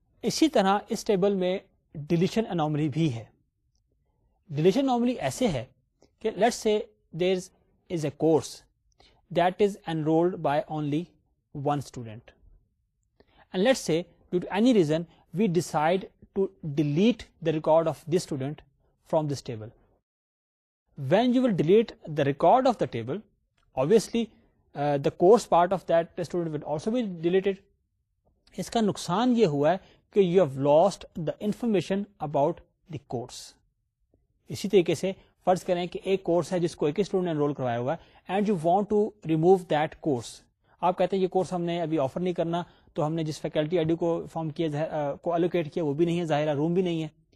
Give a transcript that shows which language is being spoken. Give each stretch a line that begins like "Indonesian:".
Urdu: اسی طرح اس ٹیبل میں ڈیلیشن انومالی بھی ہے. ڈیلیشن نارملی ایسے ہے کہ
English: Let's say there is a course that is enrolled by only one student, and let's say due to any reason we decide to delete the record of this student from this table. When you will delete the record of the table, obviously the course part of that student will also be deleted.
Urdu: اس کا نقصان یہ ہوا ہے کہ
English: You have lost the information about the course.
Urdu: اسی طریقے سے فرض کریں کہ ایک کورس ہے جس کو ایک اسٹوڈنٹ نے انرول کروایا ہوا ہے,
English: And you want to remove that course.
Urdu: آپ کہتے ہیں یہ کورس ہم نے ابھی آفر نہیں کرنا, تو ہم نے جس فیکلٹی آئی ڈی کو فارم کیا کو الوکیٹ کیا وہ بھی نہیں ہے, ظاہر ہے روم بھی نہیں ہے.